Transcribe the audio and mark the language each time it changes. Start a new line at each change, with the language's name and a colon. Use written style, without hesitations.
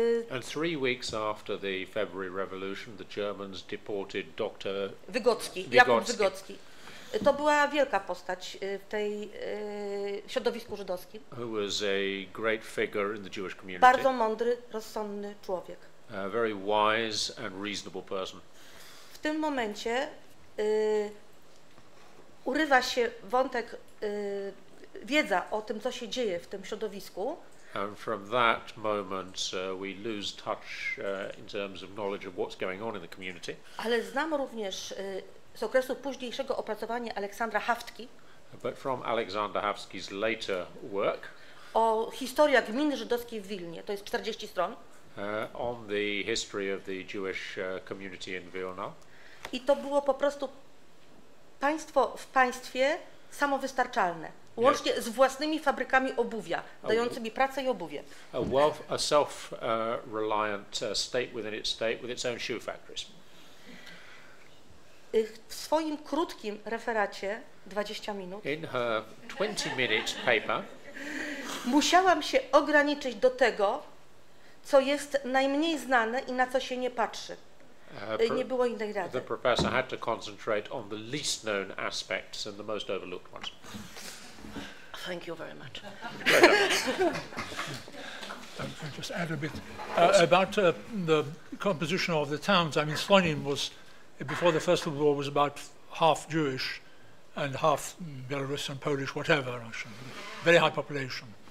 English: And 3 weeks after the February Revolution, the Germans deported Dr. Wygocki. Jakub Wygocki.
Polish: To była wielka postać w tej środowisku żydowskim.
English: Who was a great figure in the Jewish community.
Polish: Bardzo mądry, rozsądny człowiek.
English: A very wise and reasonable person.
Polish: W tym momencie urywa się wątek wiedza o tym, co się dzieje w tym środowisku.
English: And from that moment we lose touch in terms of knowledge of what's going on in the community.
Polish: Ale znam również z okresu późniejszego opracowania Aleksandra Haftki.
English: But from Alexander Haftki's later work.
Polish: O historia gminy żydowskiej w Wilnie, to jest 40 stron.
English: On the history of the Jewish community in Vilna.
Polish: I to było po prostu państwo w państwie samowystarczalne. Łącznie z własnymi fabrykami obuwia, dającymi pracę i obuwie.
English: A self-reliant state within its state with its own shoe factories.
Polish: W swoim krótkim referacie 20 minut.
English: In her 20-minute paper.
Polish: Musiałam się ograniczyć do tego, co jest najmniej znane i na co się nie patrzy. Nie było innej rady.
English: The professor had to concentrate on the least known aspects and the most overlooked ones. Thank you very much. I'll just add a bit about the composition of the towns. I mean, Slonim was, before the First World War, was about half Jewish and half Belarusian, Polish, whatever, Russian. Very high population.